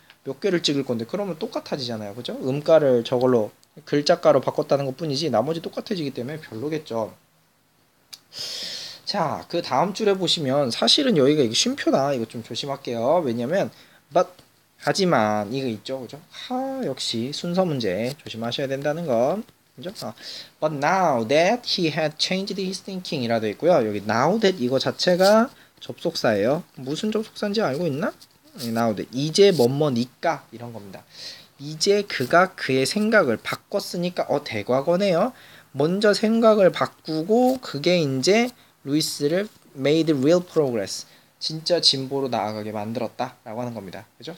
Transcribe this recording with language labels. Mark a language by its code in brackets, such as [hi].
[ko] 몇 개를 찍을 건데 그러면 똑같아지잖아요. 그죠? 음가를 저걸로 글자가로 바꿨다는 것 뿐이지 나머지 똑같아지기 때문에 별로겠죠. 자, 그 다음 줄에 보시면 사실은 여기가 이게 쉼표다. 이거 좀 조심할게요. 왜냐면 but 하지만 이거 있죠. 그죠? 하, 역시 순서 문제 조심하셔야 된다는 거. 그죠? [en] But now that he had changed his thinking [ko] 이라도 있고요. 여기 now that 이거 자체가 접속사예요. 무슨 접속사인지 알고 있나? now that 이제 뭐뭐니까 이런 겁니다. 이제 그가 그의 생각을 바꿨으니까 대과거네요. 먼저 생각을 바꾸고 그게 이제 루이스를 [en] made real progress [ko] 진짜 진보로 나아가게 만들었다 라고 하는 겁니다. 그죠?